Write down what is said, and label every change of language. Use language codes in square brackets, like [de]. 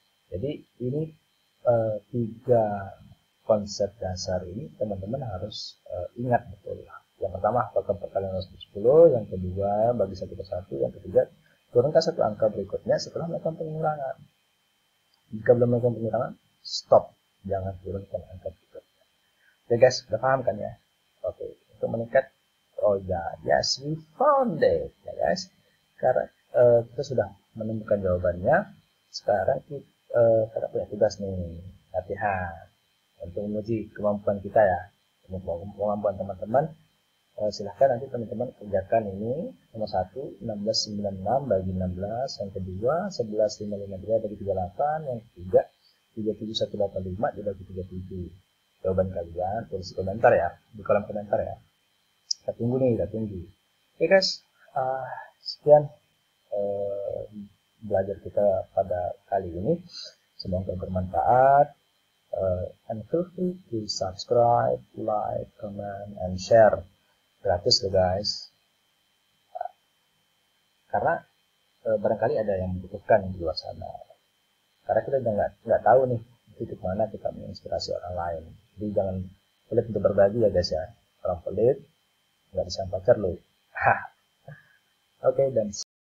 [id] Jadi ini tiga konsep dasar ini teman-teman harus ingat betul. Yang pertama hafalkan perkalian 10, yang kedua bagi 1 per 1, yang ketiga turunkan satu angka berikutnya setelah melakukan pengurangan. Jika belum melakukan pengurangan, stop. Jangan turunkan angka berikutnya. Oke guys, udah paham kan ya? Oke, untuk meningkat. [en] Oh ya, yes, we found it, ya guys. [id] Karena kita sudah menemukan jawabannya. Sekarang kita karena punya tugas nih, latihan untuk menguji kemampuan kita ya, kemampuan teman-teman. Silahkan nanti teman-teman kerjakan ini. Nomor 1, 1696 bagi 16. Yang kedua, 11553 bagi 38. Yang ketiga, 37185 dibagi 37. Jawaban kalian tulis komentar ya, di kolom komentar ya. Kita tunggu nih, kita tunggu. Oke guys, sekian belajar kita pada kali ini. Semoga bermanfaat. [en] And feel free to subscribe, like, comment, and share. [id] Gratis loh guys. Karena barangkali ada yang membutuhkan di luar sana. Karena kita udah nggak tahu nih titik mana kita menginspirasi orang lain. Jadi jangan pelit untuk berbagi ya guys ya. Kalau pelit, nggak bisa pacar lu. Oke, dan